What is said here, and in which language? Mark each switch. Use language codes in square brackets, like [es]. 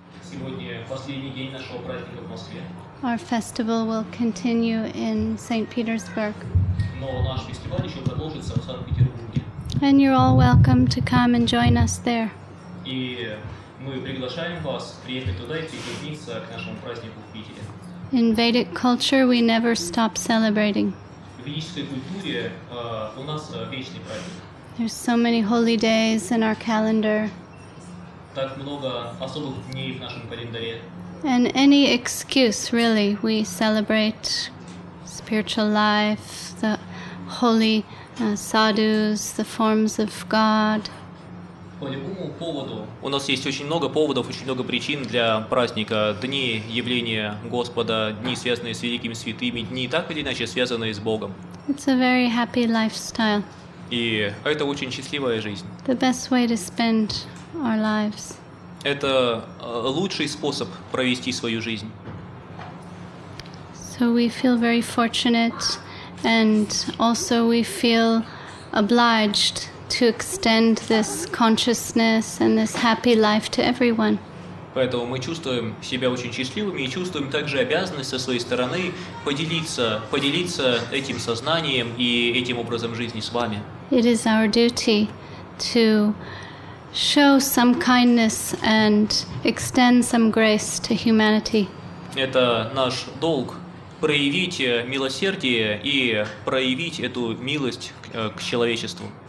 [ru] сегодня последний день нашего праздника в Москве. [en] Our festival will continue in St. Petersburg. [ru] Но наш фестиваль еще продолжится в Санкт-Петербурге. [en] And you're all welcome to come and join us there. [ru] И мы приглашаем вас приехать туда и присоединиться к нашему празднику в Питере. [en] In Vedic culture, we never stop celebrating. [ru] В ведической культуре у нас вечный праздник. [en] There's so many holy days in our calendar. [ru] Так много особых дней в нашем календаре. [en] And any excuse, really, we celebrate spiritual life, the holy sadhus, the forms of God. [ru] По любому поводу. У нас есть очень много поводов, очень много причин для праздника. Дни явления Господа, дни, связанные с великими святыми, дни, так или иначе, связанные с Богом. [en] It's a very happy lifestyle. [ru] И это очень счастливая жизнь. [en] The best way to spend our lives. [ru] Это лучший способ провести свою жизнь. [en] So we feel very fortunate, and also we feel obliged to extend this consciousness and this happy life to everyone. [ru] Поэтому мы чувствуем себя очень счастливыми и чувствуем также обязанность со своей стороны поделиться этим сознанием и этим образом жизни с вами. [en] It is our duty to show some kindness and extend some grace to humanity. [ru] Это наш долг проявить милосердие и проявить эту милость к человечеству.